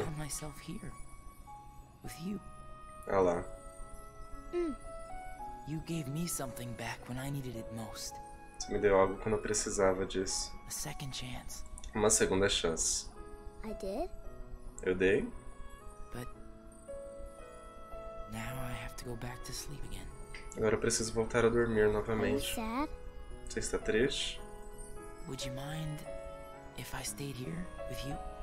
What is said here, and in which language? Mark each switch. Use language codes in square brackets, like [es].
[en] I found myself here, with you. Ah lá. You gave me something back when I needed it most. [pt] Você me deu algo quando eu precisava disso. [en] A second chance. [pt] Uma segunda chance. [en] I did? [pt] Eu dei. [en] But now I have to go back to sleep again. [pt] Agora eu preciso voltar a dormir novamente. [en] Are you sad? [pt] Você está triste? [en] Would you mind if I stayed here with you?